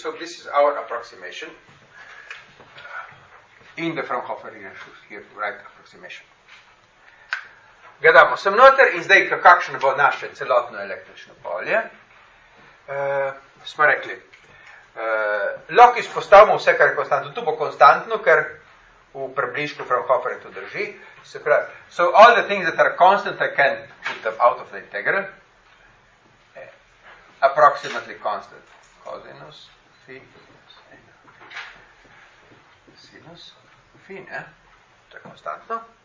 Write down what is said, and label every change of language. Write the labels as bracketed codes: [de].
[en] So this is our approximation in the Fraunhofer region, here right approximation. [sl] Gledamo sem noter in zdaj kakšno bo naše celotno električno polje. Smo rekli, lahko izpostavimo vse, kar je konstantno. Tu bo konstantno, ker v približku Fraunhofer je to drži. Se pravi, [en] so all the things that are constant, I can put them out of the integral. Approximately constant. [sl] Cosinus phi sinus phi, ne? To je konstantno.